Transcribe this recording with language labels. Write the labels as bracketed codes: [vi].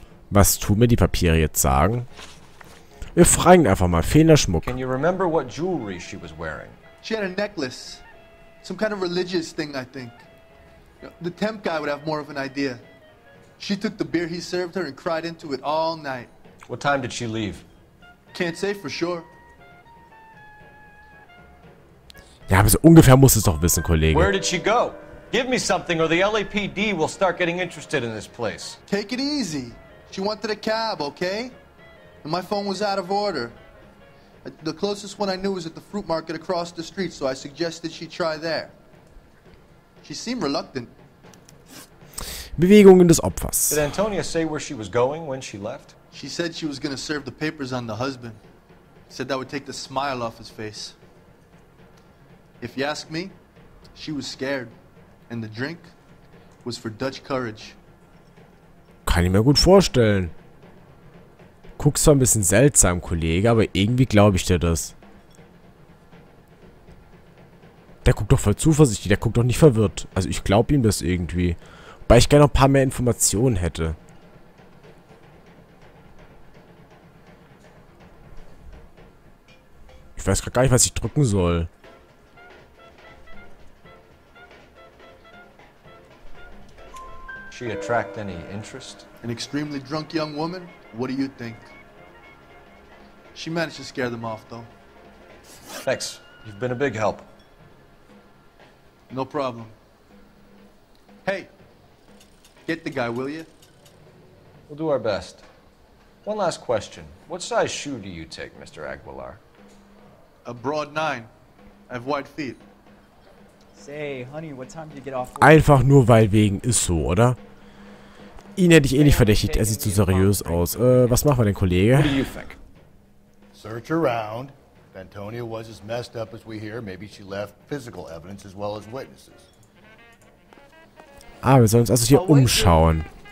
[de] Was tun mir die Papiere jetzt sagen? Wir fragen einfach mal. Fehlender Schmuck. [en] Can you remember what jewelry she was wearing? She had a necklace. Some kind of religious thing, I think. The temp guy would have more of an idea. She took the beer he served her and cried into it all night. What time did she leave? Can't say for sure. [de] Ja, aber so ungefähr muss es doch wissen, Kollege. [en] Where did she go? Give me something or the LAPD will start getting interested in this place. Take it easy. She wanted a cab, okay? And my phone was out of order. The closest one I knew was at the fruit market across the street, so I suggested she try there. She seemed reluctant. [de] Bewegungen des Opfers. [en] Did Antonia say where she was going when she left? She said she was gonna serve the papers on the husband. Said that would take the smile off his face. If you ask me, she was scared. And the drink was for Dutch courage. [de] Kann ich mir gut vorstellen. Guckst zwar ein bisschen seltsam, Kollege, aber irgendwie glaube ich dir das. Der guckt doch voll zuversichtlich, der guckt doch nicht verwirrt. Also ich glaube ihm das irgendwie. Wobei ich gerne noch ein paar mehr Informationen hätte. Ich weiß gar nicht, was ich drücken soll. [en] She attract any interest? An extremely drunk young woman? What do you think? She managed to scare them off, though. Thanks. You've been a big help. No problem. Hey, get the guy, will you? We'll do our best. One last question. What size shoe do you take, Mr. Aguilar? A broad nine. I have wide feet. Say, honey, what time do you get off? [de] Einfach nur weil wegen ist so, oder? Ihn hätte ich eh nicht verdächtigt, er sieht zu seriös aus. Was machen wir denn, Kollege? [en] What do you think? Search around. If Antonia was as messed up as we hear, maybe she left physical evidence as well as witnesses. [de] Ah, wir sollen uns also hier umschauen.